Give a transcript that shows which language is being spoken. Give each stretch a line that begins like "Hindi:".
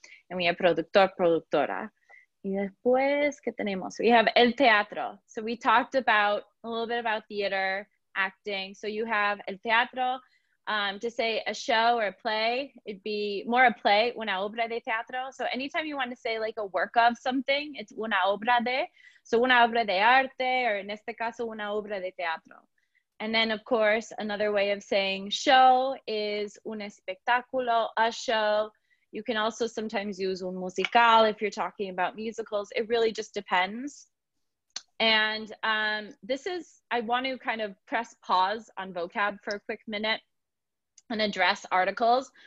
English: And we have
Spanish: productor, productora. Y después, ¿qué tenemos?
English: We have el teatro. So we talked about a little bit about theater, acting. So you have el teatro. To say a show or a play, it'd be more a play,
Spanish: una obra de teatro.
English: So anytime you want to say like a work of something, it's una obra de. So
Spanish: una obra de arte,
English: or in
Spanish: este caso, una obra de teatro.
English: And then, of course, another way of saying show is un espectáculo, a show. You can also sometimes use un musical if you're talking about musicals. It really just depends. And I want to kind of press pause on vocab for a quick minute and address articles.